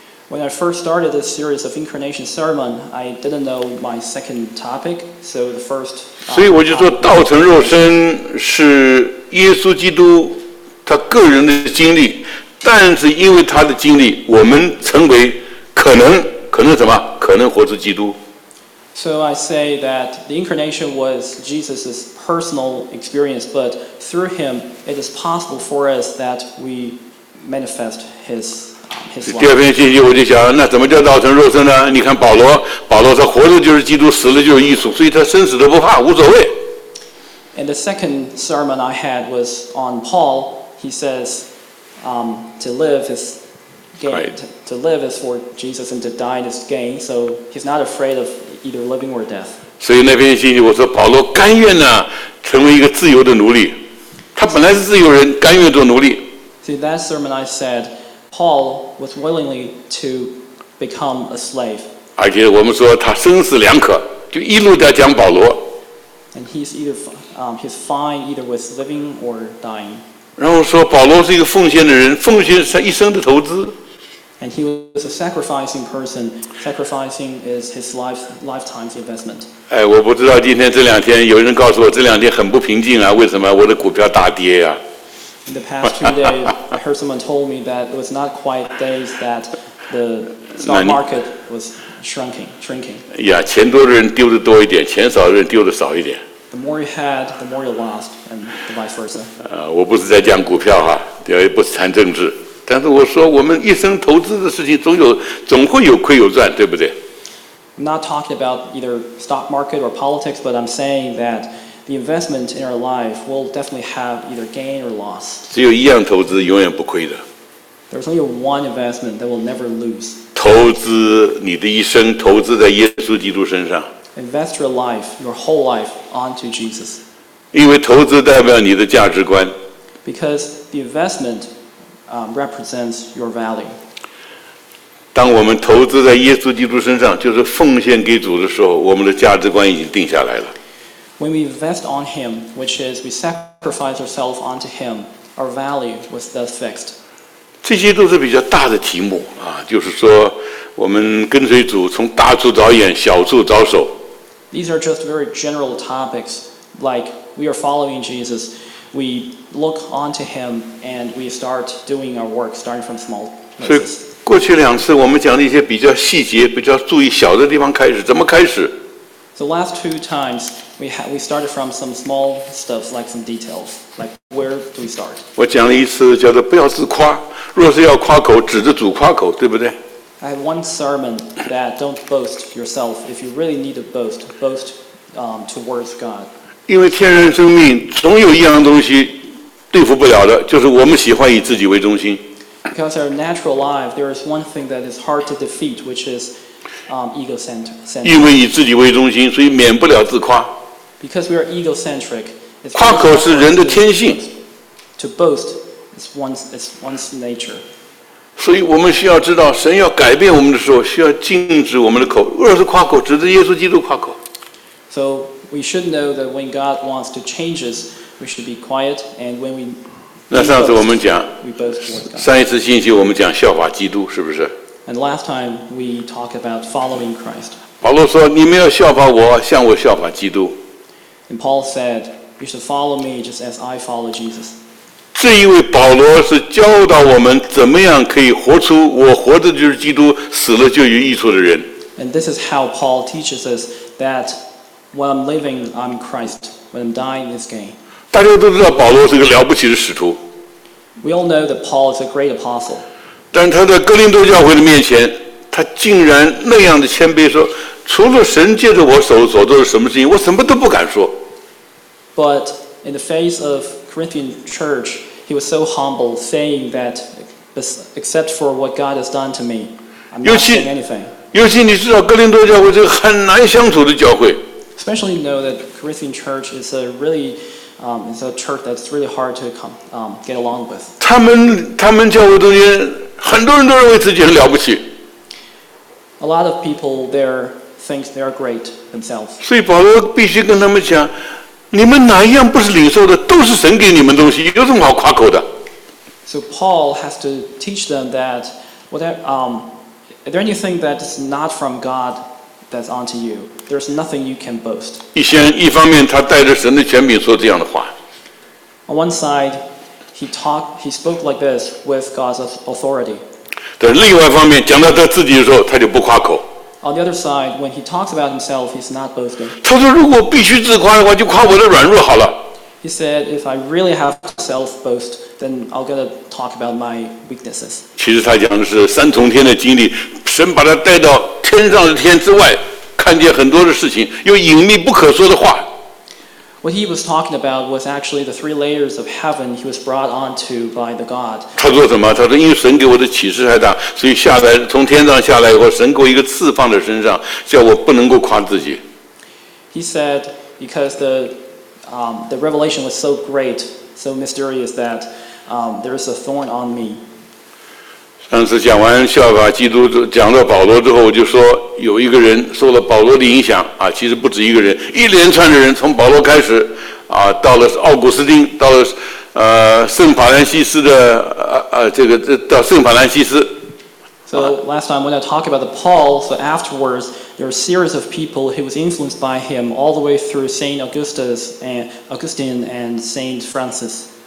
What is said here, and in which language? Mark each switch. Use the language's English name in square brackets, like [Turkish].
[English] When I first started this series of incarnation sermon, I didn't know my second topic, so the first. [Chinese] 所以我就说，道成肉身是耶稣基督他个人的经历，但是因为他的经历，我们成为可能什么？可能活出基督。 [English] So I say that the incarnation was Jesus' personal experience, but through him, it is possible for us that we manifest his. [Chinese] 第二篇信息我就想，那怎么叫道成肉身呢？你看保罗说活着就是基督，死了就是义，所以他生死都不怕，无所谓。 [English] And the second sermon I had was on Paul. He says, to live is for Jesus, and to die is gain. So he's not afraid of either living or death. [Chinese] 所以那篇信息我说保罗甘愿呢成为一个自由的奴隶，他本来是自由人，甘愿做奴隶。 [English] See that sermon I said. Paul was willingly to become a slave. [Chinese] 而且我们说他生死两可，就一路在讲保罗。 [English] And he's either he's fine either with living or dying. [Chinese] 然后说保罗是一个奉献的人，奉献是他一生的投资。 [English] And he was a sacrificing person. Sacrificing is his lifetime's investment. [Chinese] 哎，我不知道今天这两天有人告诉我这两天很不平静啊？为什么我的股票大跌呀、啊？ [English] In the past 2 days, I heard someone told me that it was not quite days that the stock market was shrinking. [Chinese] Yeah, 钱多的人丢的多一点，钱少的人丢的少一点。 [English] The more you had, the more you lost, and vice versa. [Chinese] 我不是在讲股票哈，也不是谈政治，但是我说我们一生投资的事情总会有亏有赚，对不对 [English] ？I'm not talking about either stock market or politics, but I'm saying that. The investment in our life will definitely have either gain or loss. [Chinese] 只有一样投资永远不亏的。 [English] There's only one investment that will never lose. [Chinese] 投资你的一生，投资在耶稣基督身上。 [English] invest your life, your whole life, onto Jesus. [Chinese] 因为投资代表你的价值观。 [English] Because the investment represents your value. [Chinese] 当我们投资在耶稣基督身上，就是奉献给主的时候，我们的价值观已经定下来了。 [English] When we invest on Him, which is we sacrifice ourselves onto Him, our value was thus fixed. [Chinese] 这些都是比较大的题目啊，就是说，我们跟随主，从大处着眼，小处着手。 [English] These are just very general topics, like we are following Jesus, we look onto Him, and we start doing our work, starting from small places. [Chinese] 所以过去两次我们讲了一些比较细节、比较注意小的地方开始，怎么开始 [English] ？The last two times we started from some small stuff, like some details, like where do we start? [Chinese] 我讲了一次叫做不要自夸。若是要夸口，指着主夸口，对不对 [English] ？I have one sermon that don't boast yourself. If you really need to boast, boast towards God. [Chinese] 因为天然生命总有一样东西对付不了的，就是我们喜欢以自己为中心。 [English] Because our natural life, there is one thing that is hard to defeat, which is egocentric. [Chinese] 因为以自己为中心，所以免不了自夸。 [English] Because we are egocentric, [Chinese] 夸口是人的天性。 [English] To boast. It's one's nature. [Chinese] 所以我们需要知道，神要改变我们的时候，需要禁止我们的口。若是夸口，指着耶稣基督夸口。 [English] So we should know that when God wants to change us, we should be quiet. And when we [Chinese] 那上次我们讲 [English] we boast towards God. [Chinese] 上一次信息我们讲效法基督，是不是 [English] ？And last time we talked about following Christ. [Chinese] 保罗说：“你们要效法我，像我效法基督。 [English] ”And Paul said, "You should follow me just as I follow Jesus." [Chinese] 这一位保罗是教导我们怎么样可以活出我活的就是基督，死了就有益处的人。 [English] And this is how Paul teaches us that when I'm living, I'm Christ. When I'm dying, it's gain. [Chinese] 大家都知道保罗是个了不起的使徒。 [English] We all know that Paul is a great apostle. [Chinese] 但他在哥林多教会的面前，他竟然那样的谦卑说：“除了神借着我手所做的什么事情，我什么都不敢说。 [English] ”But in the face of Corinthian church, he was so humble, saying that except for what God has done to me, I'm not saying anything. [Chinese] 尤其你知道哥林多教会是个很难相处的教会。 [English] Especially you know that Corinthian church is a really, it's a church that's really hard to come, get along with. [Chinese] 他们教会中间很多人都认为自己很了不起。 [English] A lot of people there think they are great themselves. [Chinese] 所以保罗必须跟他们讲。你们哪一样不是领受的？都是神给你们东西，有什么好夸口的 [English] ？So Paul has to teach them that is there anything that is not from God that's onto you? There's nothing you can boast. [Chinese] 一方面他带着神的权柄说这样的话。 [English] On one side, he spoke like this with God's authority. [Chinese] 对，另外一方面讲到他自己的时候，他就不夸口。 [English] On the other side, when he talks about himself, he's not boasting. [Chinese] 他说：“如果必须自夸的话，就夸我的软弱好了。” [English] He said, "If I really have to self-boast, then I'll gonna talk about my weaknesses." [Chinese] 其实他讲的是三重天的经历，神把他带到天上的天之外，看见很多的事情，有隐秘不可说的话。 [English] What he was talking about was actually the three layers of heaven he was brought onto by the God. [Chinese] 他说什么？他说因为神给我的启示太大，所以下来从天上下来以后，神给我一个刺放在身上，叫我不能够夸自己。 [English] He said because the revelation was so great, so mysterious that there is a thorn on me. [Chinese] 上次讲完效法基督，讲到保罗之后，我就说。有一个人受了保罗的影响啊，其实不止一个人，一连串的人，从保罗开始啊，到了奥古斯丁，到了圣法兰西斯的到圣法兰西斯。 [English] So last time when I talk about the Paul, so afterwards there are a series of people who was influenced by him all the way through Saint Augustus and Augustine and Saint Francis.